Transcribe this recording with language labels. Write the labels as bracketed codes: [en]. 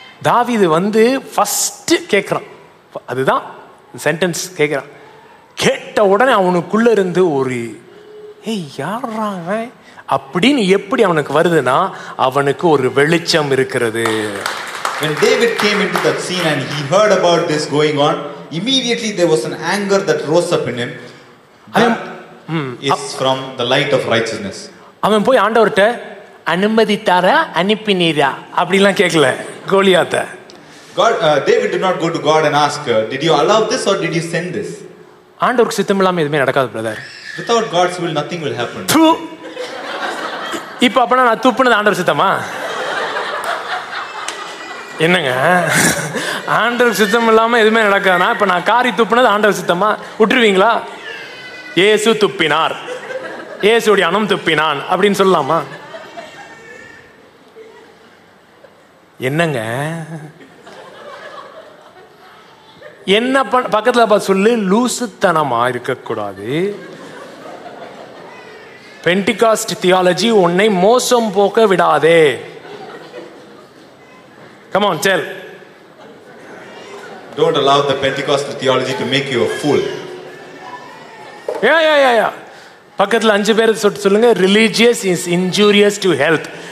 [ta] தாவீது வந்து ஃபர்ஸ்ட் கேட்கிறான், அதுதான் சென்டென்ஸ் கேட்கிறான். கேட்ட உடனே அவனுக்குள்ள இருந்து ஒரு யாரான் அப்படின்னு எப்படி அவனுக்கு வருதுன்னா, அவனுக்கு ஒரு வெளிச்சம் இருக்கிறது. [en] When David came into that scene and he heard about this going on, immediately there was an anger that rose up in him. That is from the light of righteousness. [ta] அவன் போய் ஆண்டவர்ட்ட அனுமதித்தாரா அனுப்பினீரா அப்படிலாம் கேட்கல கோலியாத்த. [en] David did not go to God and ask, did you allow this or did you send this? [ta] ஆண்டவருக்கு சித்தமில்லாம எதுவுமே நடக்காது brother. [en] Without God's will, nothing will happen. [ta] இப்ப அப்பனா நான் துப்புனது ஆண்டவர் சித்தமா என்னங்க? ஆண்டவர் சித்தம் இல்லாம எதுவுமே நடக்காதுனா, இப்ப நான் காரி துப்புனது ஆண்டவர் சித்தமா, விட்டுருவீங்களா? ஏசு துப்பினார், ஏசுடைய அணம் துப்பினான் அப்படின்னு சொல்லலாமா? என்னங்க என்ன பக்கத்துல சொல்லு, லூசுத்தனமா இருக்கக்கூடாது. பெண்டிகாஸ்ட் தியாலஜி உன்னை மோசம் போக்க விடாதே. [en] Come on, tell. Don't allow the Pentecostal theology to make you a fool. Yeah. [ta] பக்கத்துல அஞ்சு பேர் சொல்லுங்க, [en] religious is injurious to health.